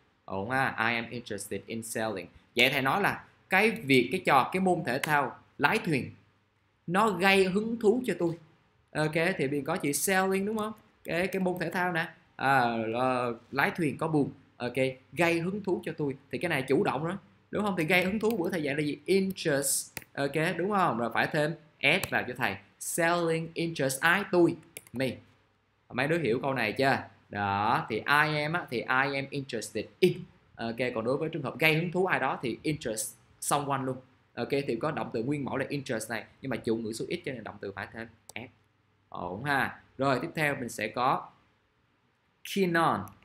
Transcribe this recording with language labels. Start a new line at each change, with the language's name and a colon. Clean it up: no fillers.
Vietnamese: Ổn ha,
English: I am interested in sailing.
Vietnamese: Vậy thầy nói là cái việc, cái trò, cái môn thể thao lái thuyền nó gây hứng thú cho tôi. Ok, thì mình có chữ sailing đúng không? Cái môn thể thao nè, lái thuyền có buồm. Ok, gây hứng thú cho tôi. Thì cái này chủ động đó đúng không? Thì gây hứng thú bữa thầy dạy là gì? Interest. Ok, đúng không? Rồi phải thêm S vào cho thầy.
English: Selling interest I,
Vietnamese: tôi,
English: me.
Vietnamese: Mấy đứa hiểu câu này chưa? Đó, thì
English: I am
Vietnamese: á, thì
English: I am interested in.
Vietnamese: Ok, còn đối với trường hợp gây hứng thú ai đó thì
English: interest someone
Vietnamese: luôn. Ok, thì có động từ nguyên mẫu là interest này, nhưng mà chủ ngữ số ít cho nên động từ phải thêm S. Ổn ha. Rồi, tiếp theo mình sẽ có keen on.